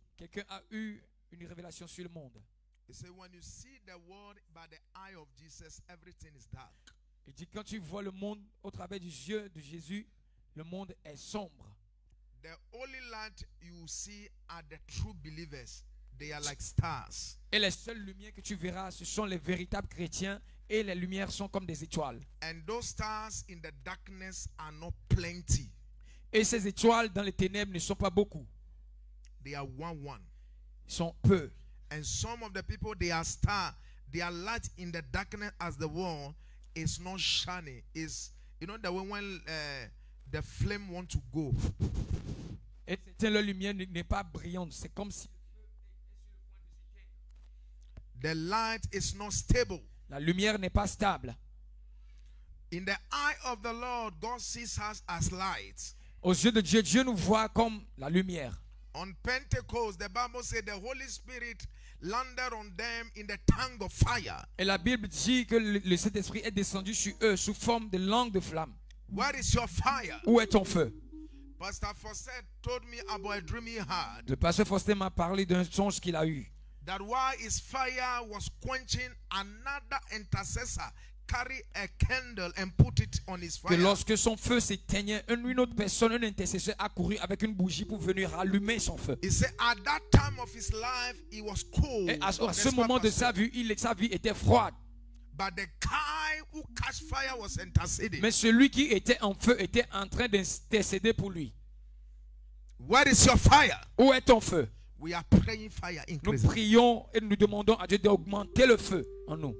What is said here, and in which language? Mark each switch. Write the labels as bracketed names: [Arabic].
[French] Quelqu'un a eu une révélation sur le monde. [English] He said, when you see the world by the eye of Jesus, everything is dark. [French] Il dit, quand tu vois le monde au travers du yeux de Jésus, le monde est sombre. [English] The only light you see are the true believers. They are like stars. [French] Et les seules lumières que tu verras, ce sont les véritables chrétiens. Et les lumières sont comme des étoiles. [English] And those stars in the darkness are not plenty. [French] Et ces étoiles dans les ténèbres ne sont pas beaucoup. [English] They are one. [French] Ils sont peu. [English] And some of the people, they are stars. Their light in the darkness as the world is not shining. Is, you know, the way when the flame want to go. [French] Et la lumière n'est pas brillante. [English] C'est comme si the light is not stable. [French] La lumière n'est pas stable. [English] In the eye of the Lord, God sees us as light. [French] Aux yeux de Dieu, Dieu nous voit comme la lumière. [English] On Pentecost, the Bible says the Holy Spirit landed on them in the tongue of fire. [French] Et la Bible dit que le Saint-Esprit est descendu sur eux sous forme de langue de flamme. [English] Where is your fire? [French] Où est ton feu? [English] Pastor Foster told me about a dream he had. [French] Le pasteur Foster m'a parlé d'un songe qu'il a eu. [English] That while his fire was quenching, another intercessor carried a candle and put it on his fire. [French] Que lorsque son feu s'éteignait, une autre personne, un intercesseur, a couru avec une bougie pour venir rallumer son feu. [English] He said, at that time of his life, he was cold. [French] Et à ce moment de sa vie, sa vie était froide. [English] But the guy who caught fire was interceding. [French] Mais celui qui était en feu était en train d'intercéder pour lui. [English] Where is your fire? [French] Où est ton feu? [English] We are praying fire increase. [French] Nous prions et nous demandons à Dieu d'augmenter le feu en nous.